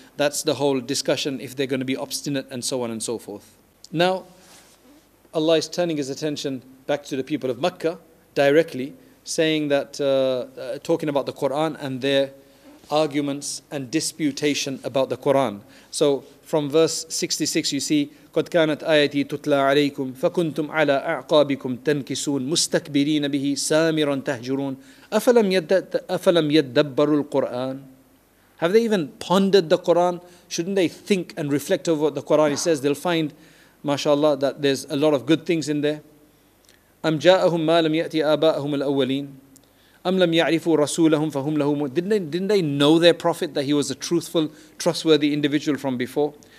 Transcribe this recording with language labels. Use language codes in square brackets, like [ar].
[en] That's the whole discussion, if they're going to be obstinate and so on and so forth. Now, Allah is turning his attention back to the people of Makkah directly, saying that, talking about the Qur'an and their arguments and disputation about the Qur'an. So from verse 66, you see, [ar] قَدْ كَانَتْ آيَتِي تُتْلَى عَلَيْكُمْ فَكُنْتُمْ عَلَىٰ أَعْقَابِكُمْ تَنْكِسُونَ مُسْتَكْبِرِينَ بِهِ سَامِرًا تَهْجُرُونَ أَفَلَمْ يَدَّبَّرُوا الْقُرْآنَ. [en] Have they even pondered the Qur'an? Shouldn't they think and reflect over what the Qur'an says? They'll find, mashallah, that there's a lot of good things in there. [ar] أَمْ جَاءَهُمْ مَا لَمْ يَأْتِ آبَاءَهُمْ الْأَوَّلِينَ أَمْ لَمْ يَعْرِفُوا رَسُولَهُمْ فَهُمْ لَهُمْ. [en] Didn't they know their prophet, that he was a truthful, trustworthy individual from before?